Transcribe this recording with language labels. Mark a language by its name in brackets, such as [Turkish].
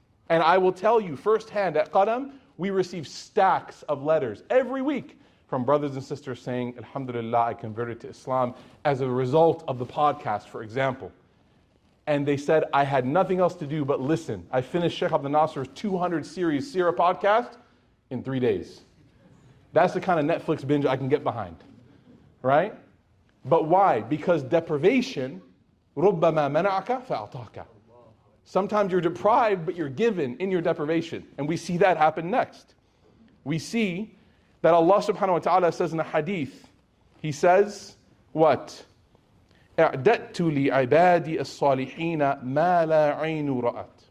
[English] And I will tell you firsthand, at Qadam, we receive stacks of letters every week from brothers and sisters saying, Alhamdulillah, I converted to Islam as a result of the podcast, for example. And they said, I had nothing else to do but listen. I finished Sheikh Abdul Nasser's 200 series Sirah podcast in 3 days. That's the kind of Netflix binge I can get behind, right? But why? Because deprivation, [Arabic] رُبَّمَا مَنَعَكَ فَأَعْطَاكَ. [English] Sometimes you're deprived, but you're given in your deprivation. And we see that happen next. We see that Allah subhanahu wa ta'ala says in a hadith, He says, what? [Arabic] أَعْدَدْتُ لِعِبَادِ الصَّالِحِينَ مَا لَا عَيْنُ رَأَتْ.